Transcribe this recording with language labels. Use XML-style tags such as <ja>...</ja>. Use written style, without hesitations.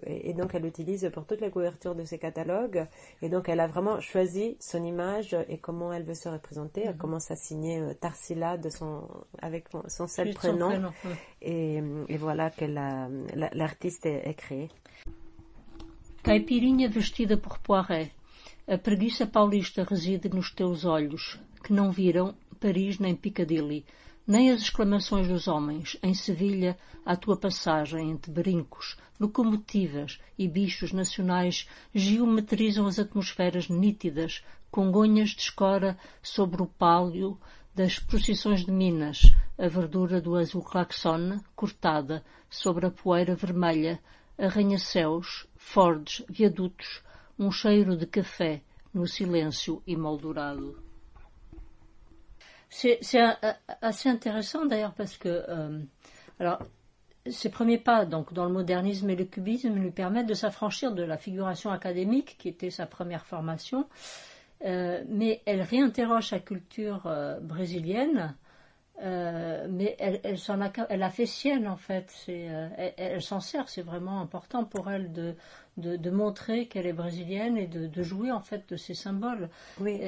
<fr>Et donc elle l'utilise pour toute la couverture de ses catalogues. Et donc elle a vraiment choisi son image et comment elle veut se représenter. Mm-hmm. Elle commence à signer Tarsila avec son prénom. Et voilà que l'artiste est créé.</fr> <pt>Caipirinha vestida por Poiret. A preguiça paulista reside nos teus olhos, que não viram Paris nem Piccadilly. Nem as exclamações dos homens, em Sevilha, à tua passagem entre brincos, locomotivas e bichos nacionais, geometrizam as atmosferas nítidas, congonhas de escora sobre o pálio das procissões de Minas, a verdura do azul claxone cortada sobre a poeira vermelha, arranha-céus, fordes, viadutos, um cheiro de café no silêncio emoldurado.</pt> <fr>C'est assez intéressant d'ailleurs, parce que alors Ses premiers pas donc, dans le modernisme et le cubisme lui permettent de s'affranchir de la figuration académique qui était sa première formation, mais elle réinterroge sa culture brésilienne, mais elle a fait sienne en fait, elle s'en sert, c'est vraiment important pour elle de montrer qu'elle est brésilienne et de jouer en fait de ses symboles. Oui.</fr>